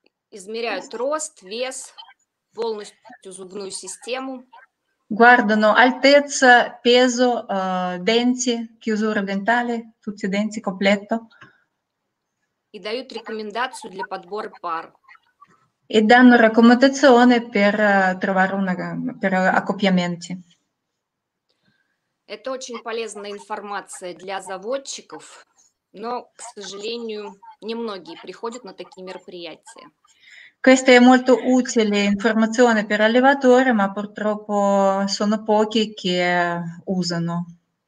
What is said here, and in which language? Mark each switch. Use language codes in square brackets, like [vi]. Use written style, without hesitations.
[ru] Измеряют рост, вес, полностью зубную систему. [it] guardano altezza, peso, denti, chiusura dentale, tutti i denti completo. E danno raccomandazioni per [ru] подбор пар. [it] E danno raccomandazione per trovare una per accoppiamenti. [ru] Это очень полезная информация для заводчиков, но, к сожалению, немногие приходят на такие мероприятия. [it] Questa è molto utile informazione per allevatori, ma purtroppo sono pochi che usano.